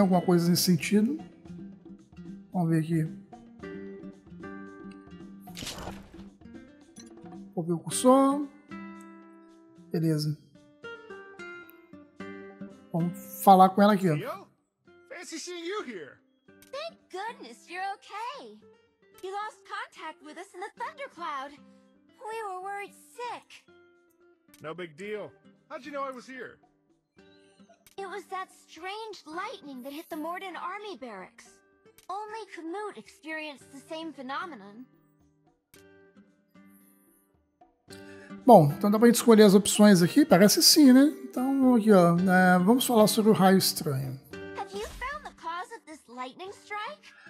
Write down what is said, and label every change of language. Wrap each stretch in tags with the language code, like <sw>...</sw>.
<pt>Alguma coisa nesse sentido. Vamos ver aqui. Vou ver o cursor. Beleza. Vamos falar com ela aqui, ó.</pt> <en>Fancy seeing you here. Thank goodness you're okay. You lost contact with us in the thundercloud. We were worried sick. No big deal. How'd you know I was here? It was that strange lightning that hit the Morden army barracks. Only Kamut experienced the same phenomenon.</en> <pt>Bom, então dá pra gente escolher as opções aqui? Parece sim, né? Então, aqui, ó. Vamos falar sobre o raio estranho.</pt> <en>Have you found the cause of this lightning strike?</en>